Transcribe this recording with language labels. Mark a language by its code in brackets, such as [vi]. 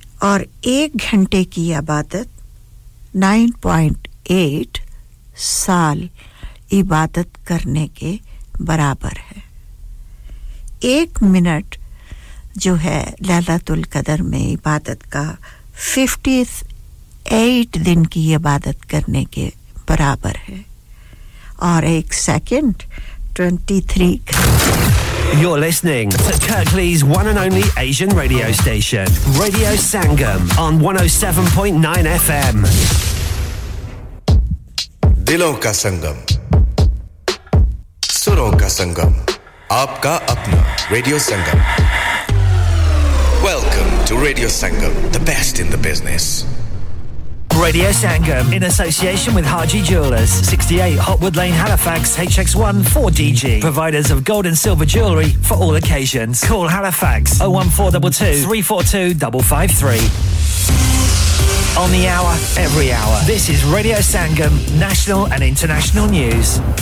[ur] اور ایک گھنٹے کی عبادت 9.8 سال عبادت کرنے کے برابر ہے ایک منٹ جو ہے لیلۃ القدر میں عبادت کا 58 دن کی عبادت کرنے کے برابر ہے اور ایک second 23 [en] You're listening to Kirklees one and only Asian radio station Radio Sangam on 107.9 FM [ur] دلوں کا سنگم سروں کا سنگم آپ کا اپنا radio Sangam [en] Welcome to Radio Sangam The best in the business Radio Sangam, in association with Haji Jewelers. 68 Hotwood Lane, Halifax, HX1 4DG. Providers of gold and silver jewellery for all occasions. Call Halifax 01422 342 553. On the hour, every hour. This is Radio Sangam, national and international news.